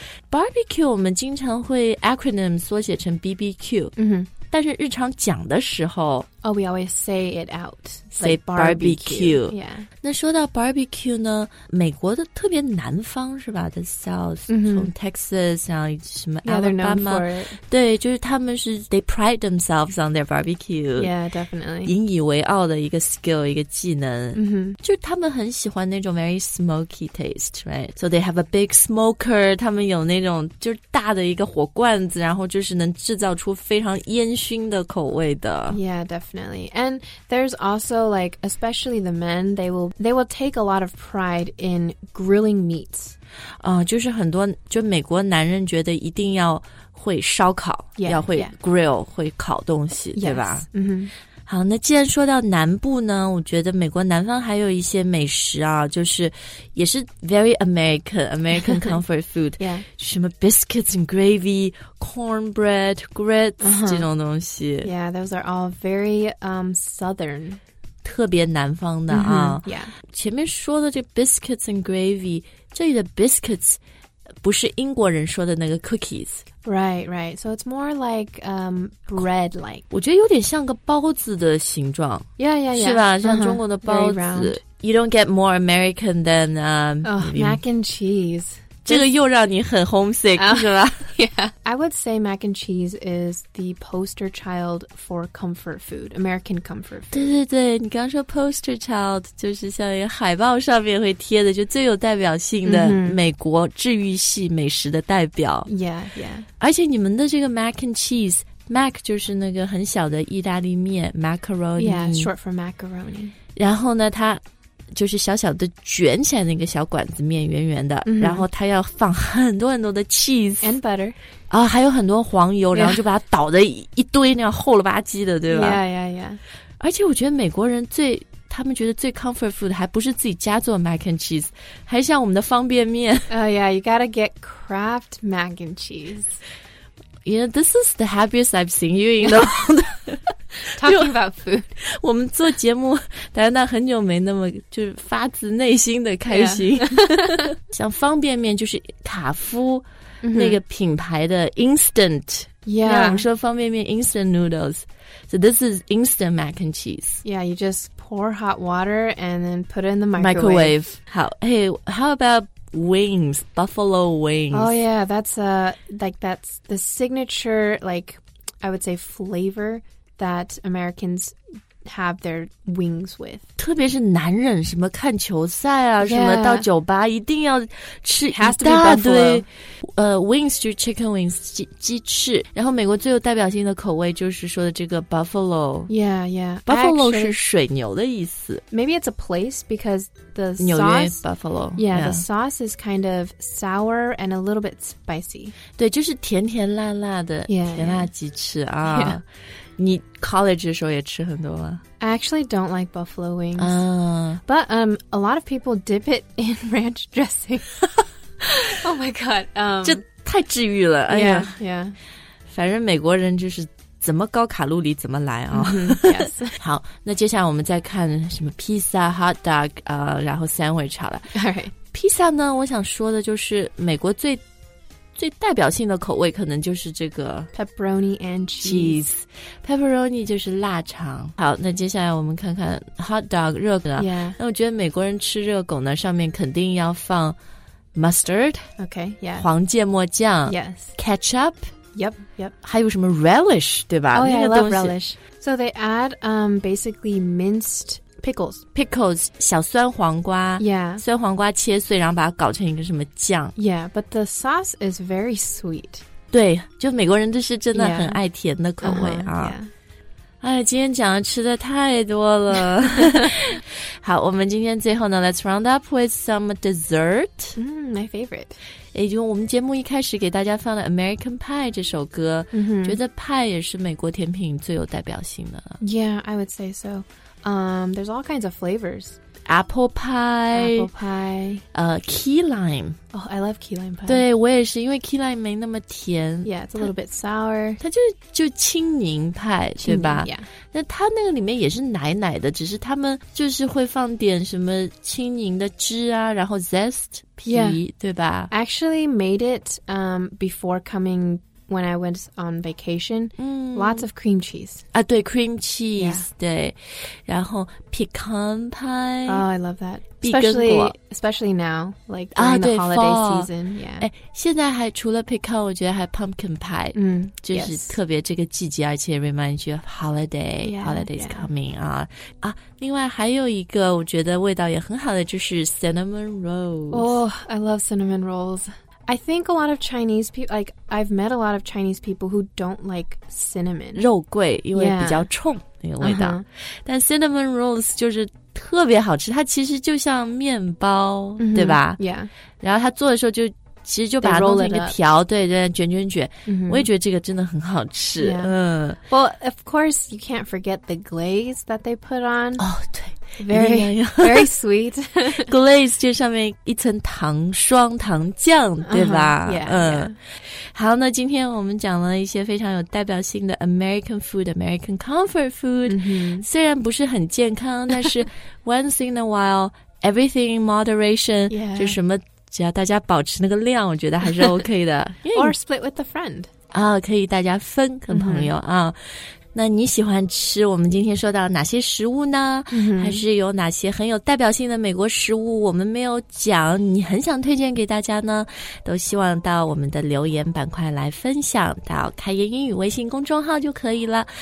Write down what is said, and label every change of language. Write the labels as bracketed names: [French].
[Chinese] Barbecue 我们经常会 acronym 缩写成 BBQ、 mm-hmm. 但是日常讲的时候 [English] Oh, we always say it out Say barbecue、yeah. [Chinese] 那说到 barbecue 呢美国的特别南方是吧 The South、 mm-hmm. 从 Texas 像什么 [English] Yeah, they're known for it [Chinese] 对就是他们是 [English] They pride themselves on their barbecue Yeah, definitely [Chinese] 引以为傲的一个 skill 一个技能、 mm-hmm. 就是他们很喜欢那种 [English] very smoky taste Right So they have a big smoker [Chinese] 他们有那种就是大的一个火罐子然后就是能制造出非常烟熏的口味的 [English] Yeah, definitely definitely. And there's also, like, especially the men, they will take a lot of pride in grilling meats. [Chinese] 就是很多，就美国男人觉得一定要会烧烤， [English] yeah, [Chinese] 要会 grill,、会烤东西，对吧？ [English] Yes, mm-hmm. [Chinese] 好，那既然说到南部呢，我觉得美国南方还有一些美食啊，就是也是 [English] very American comfort food, 、yeah. [Chinese] 什么 biscuits and gravy, cornbread, grits,、uh-huh. 这种东西。 [English] Yeah, those are all very southern. [Chinese] 特别南方的啊。 [English] Mm-hmm, yeah. [Chinese] 前面说的这 biscuits and gravy, 这里的 biscuits 不是英国人说的那个 cookies, [English] Right. So it's more like bread-like. [Chinese] 我觉得有点像个包子的形状。 [English] Yeah. [Chinese] 是吧？Uh-huh. 像中国的包子。 [English] Very round. You don't get more American than mac and cheese. [Chinese] 这个又让你很 homesick, 是吧？ [English] Yeah. I would say mac and cheese is the poster child for comfort food, American comfort food. [Chinese] 对，你刚说 poster child, 就是像一个海报上面会贴的，就最有代表性的美国治愈系美食的代表。 [English] Mm-hmm. Yeah. [Chinese] 而且你们的这个 mac and cheese, mac 就是那个很小的意大利面 macaroni. [English] Yeah, short for macaroni. [Chinese] 然后呢它就是小小的卷起来的一个小管子面圆圆的、 mm-hmm. 然后它要放很多很多的 cheese [English] and butter [Chinese] 啊，还有很多黄油、yeah. 然后就把它倒的一堆那样厚了吧唧的，对吧？ [English] Yeah. [Chinese] 而且我觉得美国人最他们觉得最 comfort food 还不是自己家做 mac and cheese, 还像我们的方便面。 [English] Yeah, you gotta get Kraft mac and cheese. Yeah, this is the happiest I've seen you in the world. Talking about food. [Chinese] 我们做节目但是很久没那么就发自内心的开心。 [English] Yeah. [Chinese] 像方便面就是卡夫那个品牌的 instant. [English] Yeah. [Chinese] 我们说方便面 instant noodles. [English] So this is instant mac and cheese. Yeah, you just pour hot water and then put it in the microwave. Microwave. 好 hey, how about wings, buffalo wings? Oh yeah, that's the signature, like, I would say flavor. That Americans have their wings with. [Chinese] 特别是男人什么看球赛啊、 [English] yeah. [Chinese] 什么到酒吧一定要吃一大堆 [English] has to be buffalo. [Chinese] Wings 就是 chicken wings, 鸡翅然后美国最有代表性的口味就是说的这个 buffalo. [English] Yeah. Buffalo actually, [Chinese] 是水牛的意思。 [English] Maybe it's a place because the sauce. [Chinese] 纽约 buffalo. [English] Yeah, the sauce is kind of sour and a little bit spicy. [Chinese] 对就是甜甜辣辣的 [English] yeah, [Chinese] 甜辣鸡翅啊。 [English] Yeah. [Chinese] 你 college 的时候也吃很多吗？ [English] I actually don't like buffalo wings.、 But a lot of people dip it in ranch dressing. Oh my god. [Chinese] 这太治愈了、哎、呀 [English] yeah. [Chinese] 反正美国人就是怎么高卡路里怎么来啊、哦 [English] mm-hmm, yes. [Chinese] 好那接下来我们再看什么 pizza, hot dog,、然后 sandwich 好了。 [English] All right. [Chinese] Pizza 呢我想说的就是美国最代表性的口味可能就是这个 [English] pepperoni and cheese. [Chinese] Pepperoni 就是腊肠。好，那接下来我们看看 hot dog 热狗。 [English] Yeah. [Chinese] 那我觉得美国人吃热狗呢，上面肯定要放 mustard. [English] Okay. Yeah. [Chinese] 黄芥末酱。 [English] Yes. Ketchup. Yep. Yep. [Chinese] 还有什么 relish 对吧？ [English] Oh, yeah, [Chinese] 那个东西。 [English] I love relish. So they add basically minced. Pickles, [Chinese] 小酸黄瓜 [English] Yeah. [Chinese] 酸黄瓜切碎然后把它搞成一个什么酱 [English] Yeah, but the sauce is very sweet. [Chinese] 对就美国人都是真的很爱甜的口味、 [English] yeah. uh-huh, 啊 yeah. [Chinese] 哎今天讲的吃的太多了。好我们今天最后呢 [English] let's round up with some dessert.、 My favorite. [Chinese] 也就我们节目一开始给大家放了 American Pie 这首歌、 mm-hmm. 觉得 Pie 也是美国甜品最有代表性的 [English] Yeah, I would say so、there's all kinds of flavors Apple Pie Key Lime Oh, I love Key Lime Pie [Chinese] 对我也是因为 Key Lime 没那么甜 [English] Yeah, it's a little bit sour [Chinese] 它就青柠派对吧 [English] Yeah [Chinese] 那它那个里面也是奶奶的只是他们就是会放点什么青柠的汁啊然后 Zest皮、 [English] yeah. [Chinese] 对吧 [English] I actually made it before coming when I went on vacation、lots of cream cheese [Chinese] 啊对 cream cheese、 [English] yeah. [Chinese] 对然后 pecan pie [English] Oh I love that especially now like during、啊、 the holiday、 fall. season yeah [Chinese] 现在还除了 pecan 我觉得还 pumpkin pie、就是特别这个季节而且 [English] remind you of holiday yeah, holidays yeah. [Chinese] coming 啊另外还有一个我觉得味道也很好的就是 cinnamon rolls [English] Oh I love cinnamon rollsI think a lot of Chinese people, like, I've met a lot of Chinese people who don't like cinnamon. [Chinese] 肉桂因为比较冲、 [English] yeah. [Chinese] 那个味道、uh-huh. 但 cinnamon rolls 就是特别好吃，它其实就像面包、 mm-hmm. 对吧、 [English] yeah. [Chinese] 然后它做的时候就其实就把它弄成一个条，对对，卷卷卷、 mm-hmm. 我也觉得这个真的很好吃、 [English] yeah. 嗯。 Well, of course, you can't forget the glaze that they put on. [Chinese] 哦、oh, 对， [English] very sweet. [Chinese] Glaze 就上面一层糖霜糖酱对吧、 [English] uh-huh. yeah, 嗯、 yeah. [Chinese] 好，那今天我们讲了一些非常有代表性的 American food, American comfort food、 mm-hmm. 虽然不是很健康，但是 [English] once in a while, everything in moderation、 yeah. [Chinese] 就什么只要大家保持那个量，我觉得还是 OK 的。 [English] Yeah. Or split with a friend. [Chinese] 啊，可以大家分跟朋友、mm-hmm. 啊。那你喜欢吃我们今天说到哪些食物呢、 mm-hmm. 还是有哪些很有代表性的美国食物我们没有讲你很想推荐给大家呢，都希望到我们的留言板块来分享，到开言英语微信公众号就可以了。